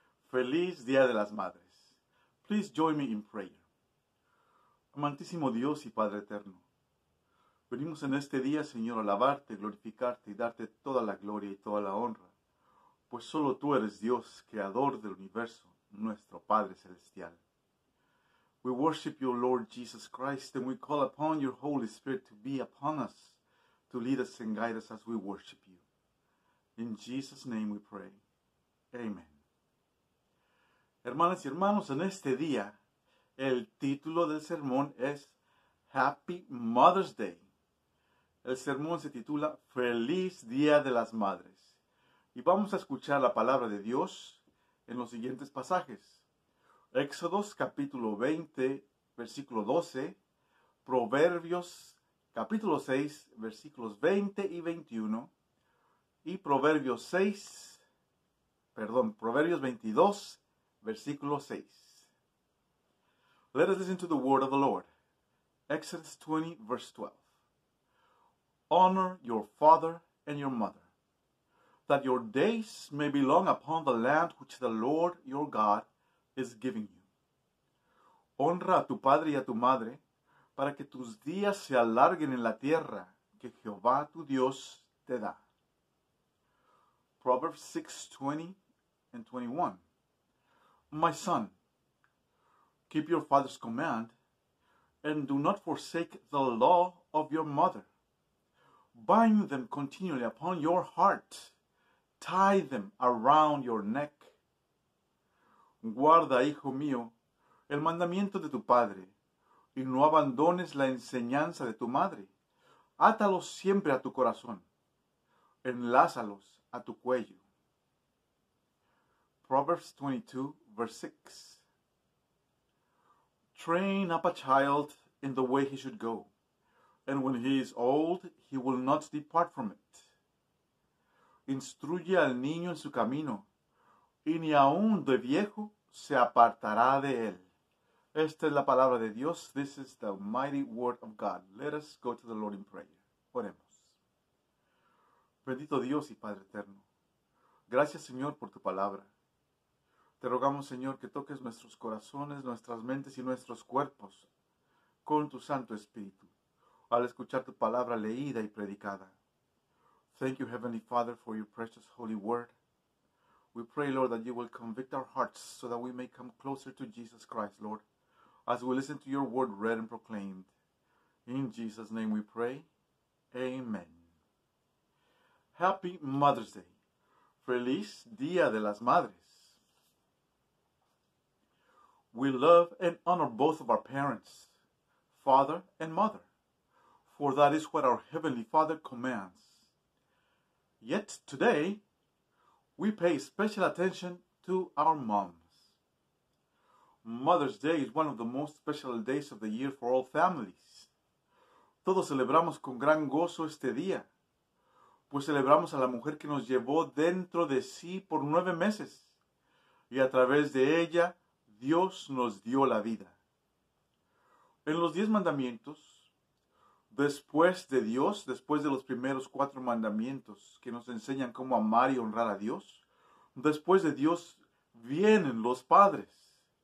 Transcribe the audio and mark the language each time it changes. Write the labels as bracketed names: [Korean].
[Spanish] Feliz Día de las Madres. [English] Please join me in prayer. [Spanish] Amantísimo Dios y Padre Eterno, venimos en este día, Señor, a alabarte, glorificarte y darte toda la gloria y toda la honra, pues solo tú eres Dios, creador del universo, nuestro Padre Celestial. [English] We worship you, Lord Jesus Christ, and we call upon your Holy Spirit to be upon us, to lead us and guide us as we worship you. In Jesus' name we pray. Amen. [Spanish] Hermanas y hermanos, en este día, el título del sermón es [English] Happy Mother's Day. [Spanish] El sermón se titula Feliz Día de las Madres. Y vamos a escuchar la palabra de Dios en los siguientes pasajes. Éxodos capítulo 20, versículo 12. Proverbios capítulo 6, versículos 20 y 21. Y Proverbios 22, versículo 6. [English] Let us listen to the word of the Lord. Exodus 20, verse 12. Honor your father and your mother, that your days may be long upon the land which the Lord your God is giving you. [Spanish] Honra a tu padre y a tu madre, para que tus días se alarguen en la tierra que Jehová tu Dios te da. [English] Proverbs 6:20 and 21. My son, keep your father's command, and do not forsake the law of your mother. Bind them continually upon your heart. Tie them around your neck. [Spanish] Guarda, hijo mío, el mandamiento de tu padre, y no abandones la enseñanza de tu madre. Átalos siempre a tu corazón. Enlázalos a tu cuello. [English] Proverbs 22, verse 6. Train up a child in the way he should go, and when he is old, he will not depart from it. [Spanish] Instruye al niño en su camino, y ni aun de viejo se apartará de él. Esta es la palabra de Dios. [English] This is the mighty word of God. Let us go to the Lord in prayer. [Spanish] Oremos. Bendito Dios y Padre eterno, gracias, Señor, por tu palabra. Te rogamos, Señor, que toques nuestros corazones, nuestras mentes y nuestros cuerpos con tu Santo Espíritu al escuchar tu palabra leída y predicada. [English] Thank you, Heavenly Father, for your precious holy word. We pray, Lord, that you will convict our hearts so that we may come closer to Jesus Christ, Lord, as we listen to your word read and proclaimed. In Jesus' name we pray. Amen. Happy Mother's Day. [Spanish] Feliz Día de las Madres. [English] We love and honor both of our parents, father and mother, for that is what our Heavenly Father commands. Yet today, we pay special attention to our moms. Mother's Day is one of the most special days of the year for all families. [Spanish] Todos celebramos con gran gozo este día, pues celebramos a la mujer que nos llevó dentro de sí por 9 meses, y a través de ella, Dios nos dio la vida. En los 10 mandamientos, después de Dios, después de los primeros 4 mandamientos que nos enseñan cómo amar y honrar a Dios, después de Dios vienen los padres.